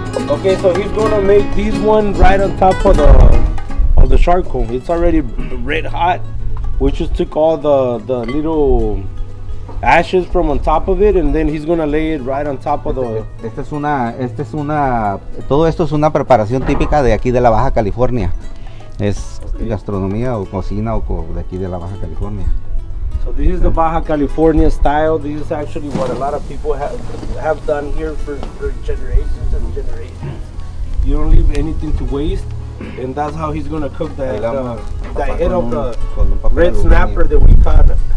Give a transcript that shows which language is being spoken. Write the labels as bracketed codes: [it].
[en] Okay, so he's gonna make this one right on top of the charcoal. It's already red hot. We just took all the little ashes from on top of it, and then he's gonna lay it right on top of the. [es] Esta es una. Todo esto es una preparación típica de aquí de la Baja California. Es gastronomía o cocina o de aquí de la Baja California. [en] So this is the Baja California style. This is actually what a lot of people have done here for generations and generations. You don't leave anything to waste, and that's how he's gonna cook that that head of the red snapper that we found.